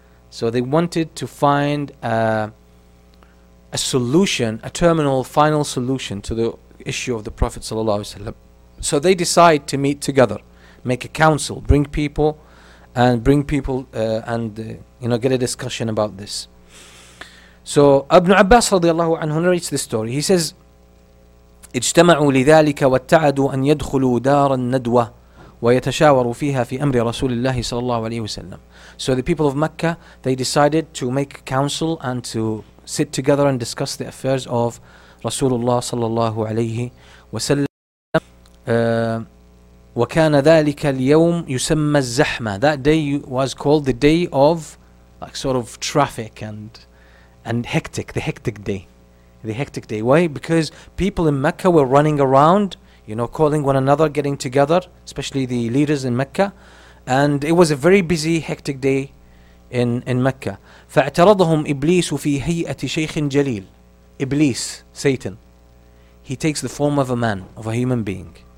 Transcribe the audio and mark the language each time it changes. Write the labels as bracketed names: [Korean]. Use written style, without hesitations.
[English] So they wanted to find a solution, a terminal, final solution to the issue of the Prophet ﷺ. So they decide to meet together, make a council, bring people, and get a discussion about this. So Ibn Abbas radiallahu anhu narrates this story. He says, [Arabic] اجتمعوا لذلك واتعدوا أن يدخلوا دار الندوة ويتشاوروا فيها في أمر رسول الله صلى الله عليه وسلم. [English] So the people of Mecca, they decided to make council and to sit together and discuss the affairs of Rasulullah صلى الله عليه وسلم. [Arabic] وكان ذلك اليوم يسمى الزحمة. [English] That day was called the day of like sort of traffic and hectic, the hectic day. The hectic day. Why? Because people in Mecca were running around, you know, calling one another, getting together, especially the leaders in Mecca. And it was a very busy, hectic day in Mecca. [Arabic] فاعترضهم إبليس في هيئة شيخ جليل. [English] Iblis, Satan. He takes the form of a man, of a human being.